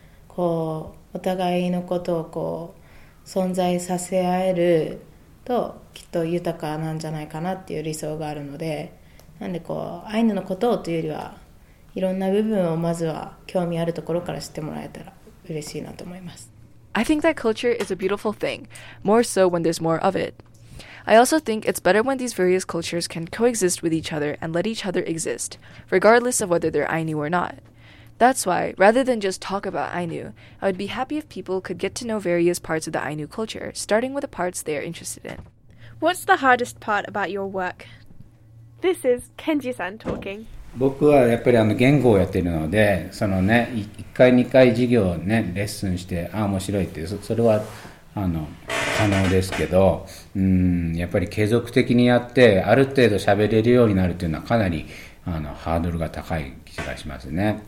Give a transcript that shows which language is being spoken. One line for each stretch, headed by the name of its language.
Japanese: こうお互いのことをこう存在させ合えるときっと豊かなんじゃないかなっていう理想があるので、なんでこうアイヌのことをというよりはいろんな部分をまずは興味あるところから知ってもらえたら嬉しいなと思います。
English: I think that culture is a beautiful thing, more so when there's more of itI also think it's better when these various cultures can coexist with each other and let each other exist, regardless of whether they're Ainu or not. That's why, rather than just talk about Ainu, I would be happy if people could get to know various parts of the Ainu culture, starting with the parts they are interested in. What's the hardest part about your work? This is Kenji-san talking.
Japanese: 僕はやっぱりあの言語をやってるので、そのね、1回2回授業ね、レッスンして、あ、面白いって、それはあの可能ですけど、やっぱり継続的にやってある程度喋れるようになるというのはかなりあのハードルが高い気がしますね。